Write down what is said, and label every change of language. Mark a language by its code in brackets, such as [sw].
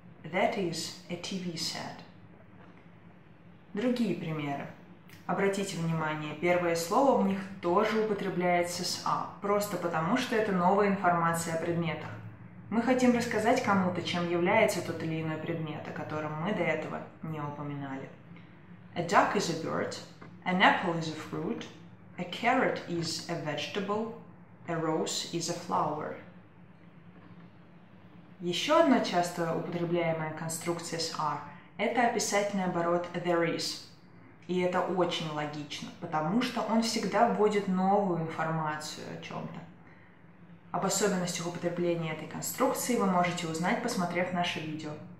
[en] That is a TV set. [ru] Другие примеры. Обратите внимание, первое слово в них тоже употребляется с «а», просто потому, что это новая информация о предметах. Мы хотим рассказать кому-то, чем является тот или иной предмет, о котором мы до этого не упоминали. [en] A duck is a bird, an apple is a fruit, a carrot is a vegetable, a rose is a flower. [ru] Еще одна часто употребляемая конструкция с «r» — это описательный оборот [en] «there is». [ru] И это очень логично, потому что он всегда вводит новую информацию о чем-то. Об особенностях употребления этой конструкции вы можете узнать, посмотрев наше видео.